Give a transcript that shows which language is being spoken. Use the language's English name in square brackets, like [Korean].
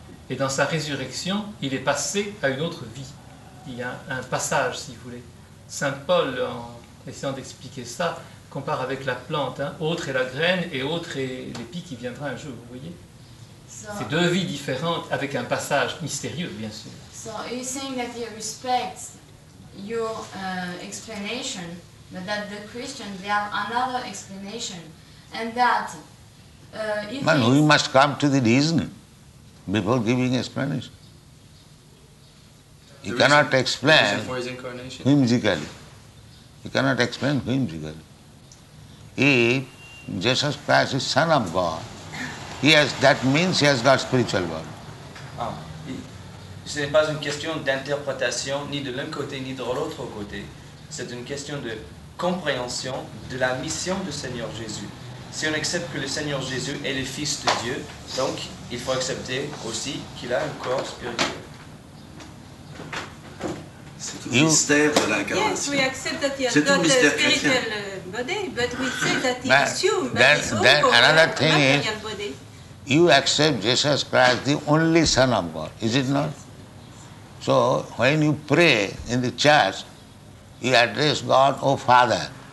[French] Et dans sa résurrection, il est passé à une autre vie. Il y a un passage, si vous voulez. Saint Paul, en essayant d'expliquer ça, compare avec la plante. Hein. Autre est la graine et autre est l'épi qui viendra un jour, vous voyez. C'est deux vies différentes avec un passage mystérieux, bien sûr. [English] So are you saying that he respects your explanation, but that the Christians, they have another explanation, and that we must come to the reason before giving explanation. He cannot explain for his incarnation? Whimsically. He cannot explain whimsically. If Jesus Christ is Son of God, that means he has got spiritual body. Ah. [French] Ce n'est pas une question d'interprétation ni de l'un côté ni de l'autre côté. C'est une question de compréhension de la mission du Seigneur Jésus. Si on accepte que le Seigneur Jésus est le Fils de Dieu, donc il faut accepter aussi qu'il a un corps spirituel. C'est tout le mystère de l'incarnation. [English] Yes, we accept that he has got a spiritual body, but we say that he is you. Another thing is, you accept Jesus Christ, the only Son of God, is it not? So, when you pray in the church, you address God, O Father.